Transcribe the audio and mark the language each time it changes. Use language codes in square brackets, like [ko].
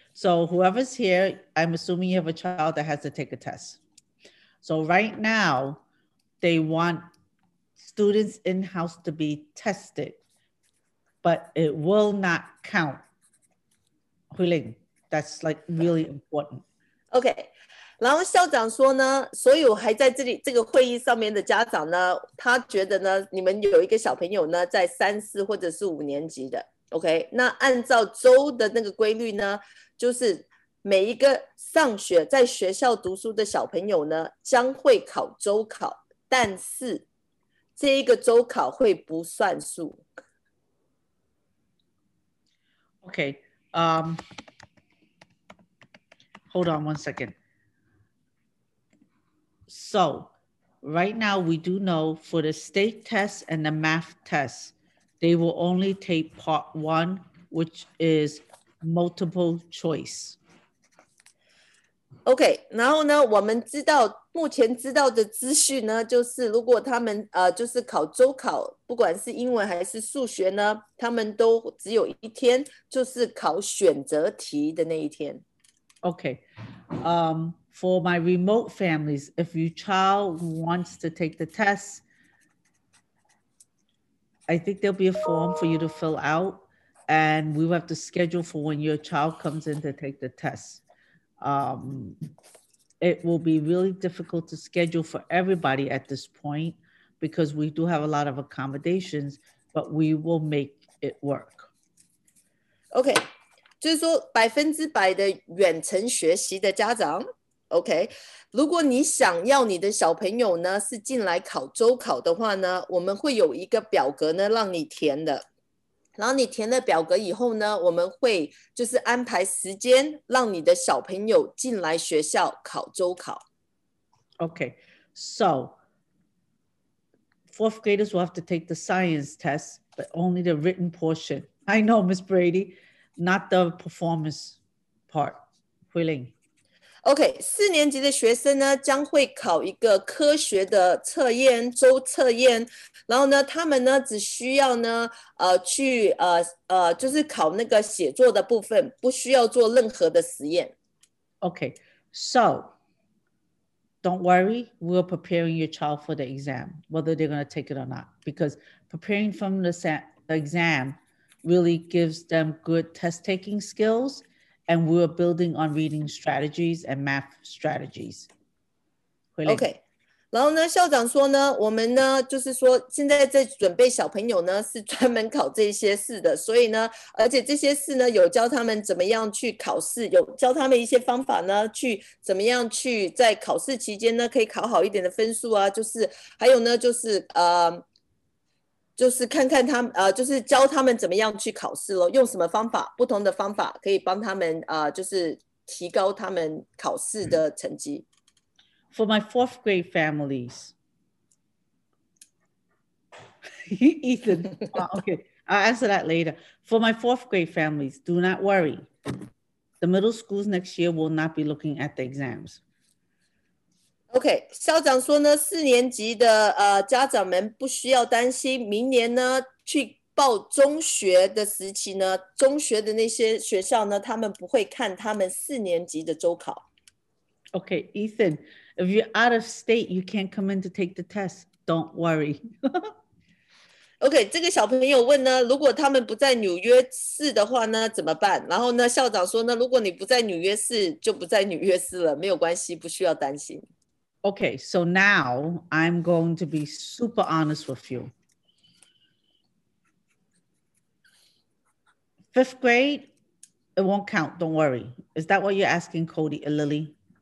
[en] So whoever's here, I'm assuming you have a child that has to take a test. So right now, they want students in-house to be tested, but it will not count. Hui Ling, that's like really important. [zh] Okay, 然后校长说呢，所有还在这里这个会议上面的家长呢，他觉得呢，你们有一个小朋友呢，在三四或者是五年级的。 Okay, 那按照州的那个规律呢，就是每一个上学在学校读书的小朋友呢，将会考周考，但是这一个周考会不算数。 [en] Okay, hold on one second. So, right now we do know for the state test and the math test, they will only take part one, which is multiple choice. [zh] Okay, 然后呢，我们知道目前知道的资讯呢，就是如果他们就是考周考，不管是英文还是数学呢，他们都只有一天，就是考选择题的那一天。 [en] Okay, for my remote families, if your child wants to take the test, I think there'll be a form for you to fill out, and we will have to schedule for when your child comes in to take the test. It will be really difficult to schedule for everybody at this point because we do have a lot of accommodations, but we will make it work. [zh] Okay, 就是说百分之百的远程学习的家长 ，Okay， 如果你想要你的小朋友呢是进来考周考的话呢，我们会有一个表格呢让你填的。然后你填了表格以后呢，我们会就是安排时间让你的小朋友进来学校考周考。 [en] Okay, so fourth graders will have to take the science test, but only the written portion. I know, Miss Brady, not the performance part. Hui Ling. [zh] OK， 四年级的学生呢将会考一个科学的测验，周测验，然后呢他们呢只需要呢去就是考那个写作的部分，不需要做任何的实验。 [en] OK， so don't worry, we're preparing your child for the exam, whether they're going to take it or not, because preparing from the exam really gives them good test taking skills. And we're building on reading strategies and math strategies. OK. [zh] 然后呢，校长说呢，我们呢，就是说现在在准备小朋友呢，是专门考这些试的。所以呢，而且这些试呢，有教他们怎么样去考试，有教他们一些方法呢，去怎么样去在考试期间呢，可以考好一点的分数啊。就是还有呢，就是就是看看他们就是教他们怎么样去考试咯，用什么方法，不同的方法可以帮他们就是提高他们考试的成绩。 [en] For my fourth grade families. Ethan, okay, I'll answer that later. For my fourth grade families, do not worry. The middle schools next year will not be looking at the exams. [zh] OK， 校长说呢，四年级的家长们不需要担心，明年呢去报中学的时期呢，中学的那些学校呢，他们不会看他们四年级的周考。 [en] OK， Ethan， if you're out of state, you can't come in to take the test. Don't worry. [zh] OK， 这个小朋友问呢，如果他们不在纽约市的话呢，怎么办？然后呢，校长说呢，如果你不在纽约市，就不在纽约市了，没有关系，不需要担心。 [en] Okay, so now I'm going to be super honest with you. Fifth grade, it won't count, don't worry. Is that what you're asking, Cody and Lily?